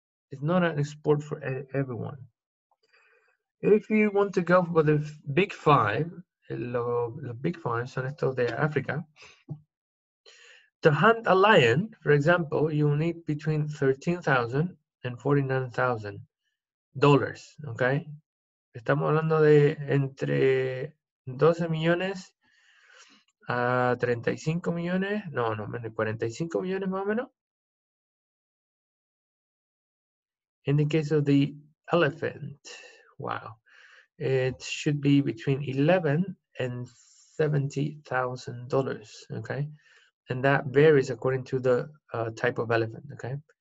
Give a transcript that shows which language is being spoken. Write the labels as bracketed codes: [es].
[en] It's not a sport for everyone. If you want to go for the big five, the big five, [es] son estos de Africa, [en] to hunt a lion, for example, you'll need between $13,000 and $49,000, okay? [es] Estamos hablando de entre 12 millones a 35 millones, no, no, 45 millones más o menos. [en] In the case of the elephant, wow, it should be between $11,000 and $70,000, okay? And that varies according to the type of elephant, okay?